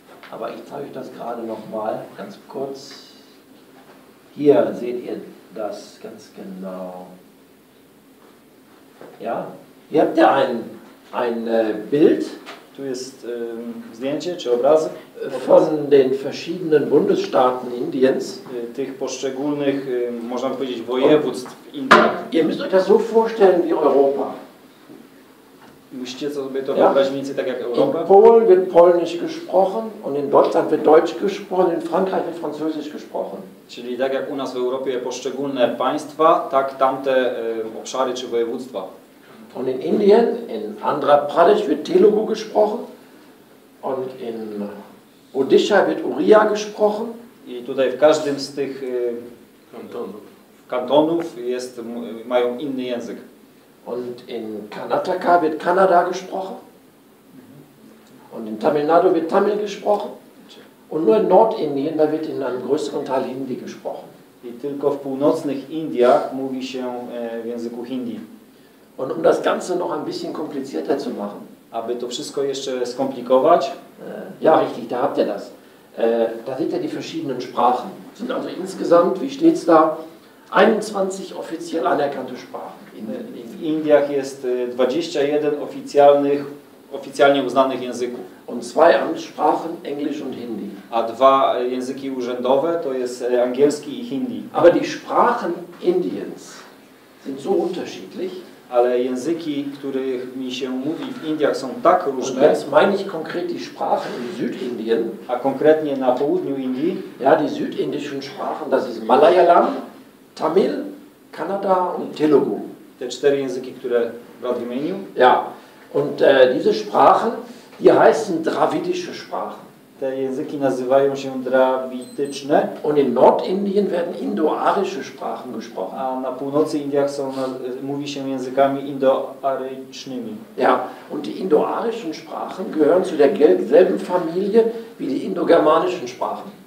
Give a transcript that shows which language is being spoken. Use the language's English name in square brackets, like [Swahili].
[German] Aber ich zeige euch das gerade nochmal ganz kurz. Hier seht ihr das ganz genau. Ja, hier habt ihr ein Bild. [Polish] Tu jest zdjęcie czy obrazy. [German] Von den verschiedenen Bundesstaaten Indiens. [Polish] Tych poszczególnych, można powiedzieć, województw Indii. [German] Ihr müsst euch das so vorstellen wie Europa. [Polish] Musicie sobie to wyobrazić mniej więcej tak jak Europa. [German] In Polen wird Polnisch gesprochen und in Deutschland wird Deutsch gesprochen, in Frankreich wird Französisch gesprochen. [Polish] Czyli tak jak u nas w Europie poszczególne państwa, tak tamte obszary czy województwa. [German] Und in Indien, in Andhra Pradesh wird Telugu gesprochen und in Odisha wird Uriya gesprochen. [Polish] I tutaj w każdym z tych kantonów jest, mają inny język. [German] Und in Karnataka wird Kannada gesprochen. Und in Tamil Nadu wird Tamil gesprochen. Und nur in Nordindien, da wird in einem größeren Teil Hindi gesprochen. [Polish] I tylko w północnych Indiach mówi się w języku Hindi. [German] Und um das Ganze noch ein bisschen komplizierter zu machen. [Polish] Aby to wszystko jeszcze skomplikować. [German] Ja, richtig, da habt ihr das. Da seht ihr die verschiedenen Sprachen. Das sind also insgesamt, wie steht's da, 21 offiziell anerkannte Sprachen. [Polish] W Indiach jest 21 oficjalnie uznanych języków. [German] Und zwei Amtssprachen, Englisch und Hindi. [Polish] A dwa języki urzędowe to jest angielski i Hindi. [German] Aber die Sprachen Indiens sind so unterschiedlich. [Polish] Ale języki, których mi się mówi w Indiach, są tak różne. [German] Und jetzt meine ich konkret die Sprachen in Südindien. [Polish] A konkretnie na południu Indii. [German] Ja, die südindischen Sprachen, das ist Malayalam, Tamil, Kannada und Telugu. [Polish] Te cztery języki, które brat wymienił. [German] Ja. Und diese Sprachen, die heißen dravidische Sprachen. [Polish] Te języki nazywają się drawitycznie. [German] Und in Nordindien werden indoarische Sprachen gesprochen. [Polish] A na północy Indiach są, mówi się językami indoarycznymi. [German] Ja. Und die indoarischen Sprachen gehören zu der selben Familie wie die indogermanischen Sprachen.